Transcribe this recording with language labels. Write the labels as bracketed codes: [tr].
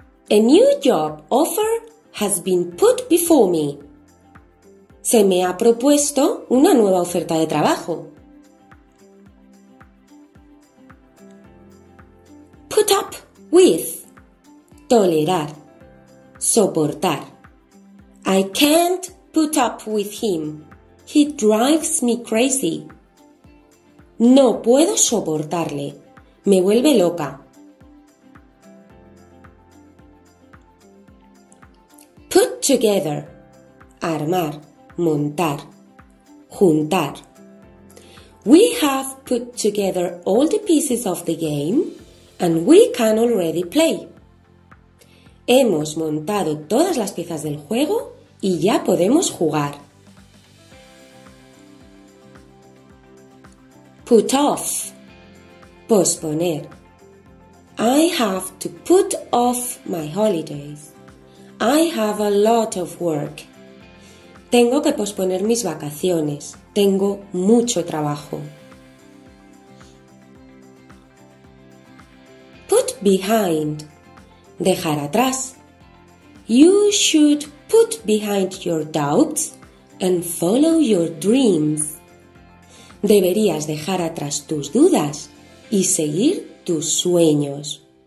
[en] A new job offer has been put before me. [es] Se me ha propuesto una nueva oferta de trabajo. [en] Put up with. [es] Tolerar. Soportar. [en] I can't put up with him. He drives me crazy. [es] No puedo soportarle. Me vuelve loca. Together, armar, montar, juntar. [en] We have put together all the pieces of the game and we can already play. [es] Hemos montado todas las piezas del juego y ya podemos jugar. [en] Put off, [es] posponer. [en] I have to put off my holidays. I have a lot of work. [es] Tengo que posponer mis vacaciones. Tengo mucho trabajo. [en] Put behind. [es] Dejar atrás. [en] You should put behind your doubts and follow your dreams. [es] Deberías dejar atrás tus dudas y seguir tus sueños.